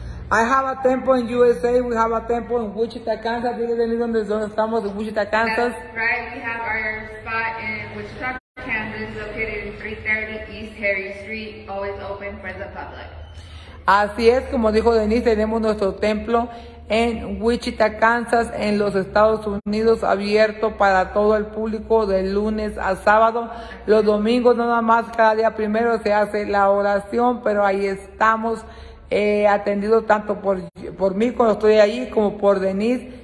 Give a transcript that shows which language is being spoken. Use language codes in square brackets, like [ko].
[en] I have a temple in USA. We have a temple in Wichita, Kansas. [es] Dile, ¿dónde estamos? En Wichita, Kansas. [en] Right, we have our spot in Wichita, Kansas, located in 330 East Harry Street. Always open for the public. [es] Así es, como dijo Denise, tenemos nuestro templo en Wichita, Kansas, en los Estados Unidos, abierto para todo el público de lunes a sábado. Los domingos nada más, cada día primero se hace la oración, pero ahí estamos atendidos tanto por mí cuando estoy ahí, como por Denise,